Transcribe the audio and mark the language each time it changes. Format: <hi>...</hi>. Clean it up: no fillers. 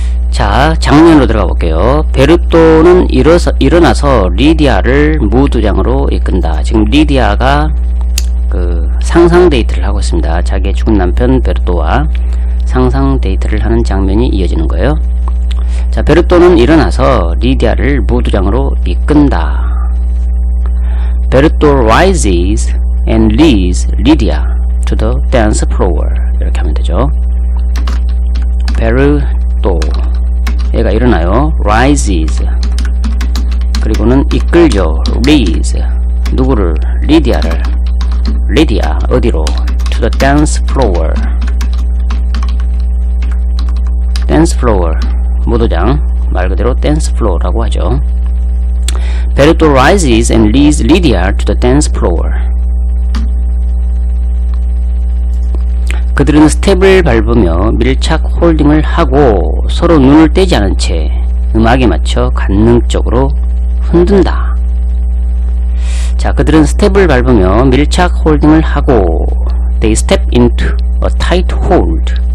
<ko>자, 장면으로 들어가 볼게요. 베르토는 일어나서 리디아를 무두장으로 이끈다. 지금 리디아가 그 상상 데이트를 하고 있습니다. 자기의 죽은 남편 베르토와 상상 데이트를 하는 장면이 이어지는 거예요. 자, 베르토는 일어나서 리디아를 무두장으로 이끈다.</ko> <en>Berto rises and leads Lydia to the dance floor.</en> <ko>이렇게 하면 되죠. Berto, 얘가 일어나요. Rises, 그리고는 이끌죠. Leads, 누구를? 리디아를. 리디아 어디로?</ko> <en>To the dance floor.</en> <ko>Dance floor, 무도장. 말 그대로 댄스 플로어라고 하죠.</ko> <en>Beruto rises and leads Lydia to the dance floor.</en> <ko>그들은 스텝을 밟으며 밀착 홀딩을 하고 서로 눈을 떼지 않은 채 음악에 맞춰 관능적으로 흔든다. 자, 그들은 스텝을 밟으며 밀착 홀딩을 하고</ko> <en>They step into a tight hold.</en>